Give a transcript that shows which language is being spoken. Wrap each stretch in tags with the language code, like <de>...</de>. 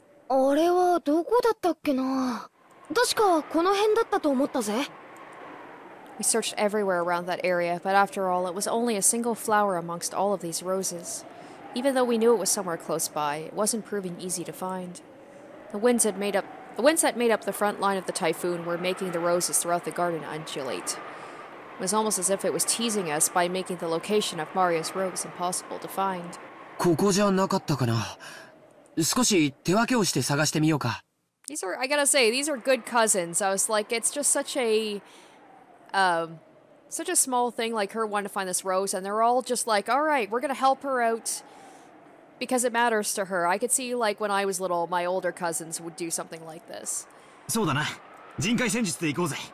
<ja>あれはどこだったっけな。確かこの辺だったと思ったぜ。</ja> <en>We searched everywhere around that area, but after all, it was only a single flower amongst all of these roses. Even though we knew it was somewhere close by, it wasn't proving easy to find. The winds that made up the front line of the typhoon were making the roses throughout the garden undulate. It was almost as if it was teasing us by making the location of Maria's rose impossible to find.</en> <ja>ここじゃなかったかな。少し手分けをして探してみようか。</ja> <en>These are good cousins. I was like, it's just such a... such a small thing like her wanting to find this rose, and they're all just like, all right, we're gonna help her out because it matters to her. I could see, like, when I was little, my older cousins would do something like this.</en> <ja>そうだな。人海戦術で行こうぜ。</ja>